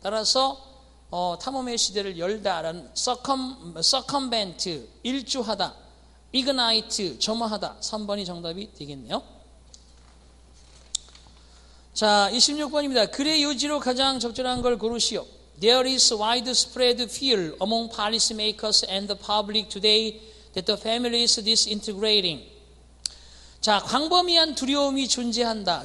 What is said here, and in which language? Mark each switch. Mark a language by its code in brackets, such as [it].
[ko] 따라서 탐험의 시대를 열다라는 circumvent, 일주하다, ignite, 점화하다. 3번이 정답이 되겠네요. 자, 26번입니다. 글의 요지로 가장 적절한 걸 고르시오. [en] There is widespread fear among policymakers and the public today that the family is disintegrating. [ko] 자, 광범위한 두려움이 존재한다.